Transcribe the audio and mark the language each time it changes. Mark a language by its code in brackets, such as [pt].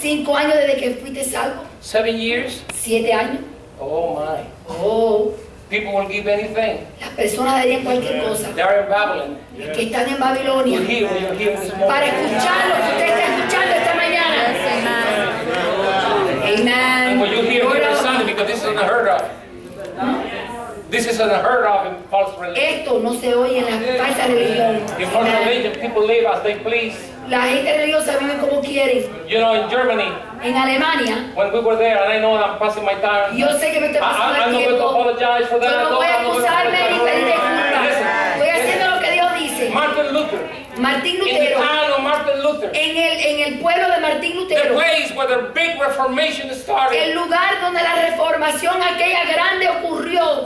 [es] 5 años desde que fuiste salvo. [en] 7 years. [es] 7 años. [en] Oh my. Oh. People will give anything. [es] Las personas darían cualquier cosa. [en] They are in Babylon. Yes. [es] Los que están en Babilonia. [en] We're here, we're here this morning. [es] Para escuchar lo que usted está escuchando esta mañana. [en] Amen. Amen. And when you hear it on Sunday, because this is unheard of. This is unheard of in false religion. [es] Esto no se oye en la falsa religión. [en] In false religion, people live as they please. [es] La gente religiosa vive como quiere. [en] You know, in Germany. [es] En Alemania. [en] When we were there, and I know I'm passing my time. [es] Yo sé que me estoy pasando el tiempo. [en] I'm not going to apologize for that. [es] Yo no voy a acusarme ni pedir disculpas. Voy haciendo lo que Dios dice. [en] Martin Luther. [es] Martín Lutero. [en] In the town of Martin Luther. [es] En el pueblo de Martín Lutero. [en] The place where the big reformation started. [es] El lugar donde la reformación aquella grande ocurrió.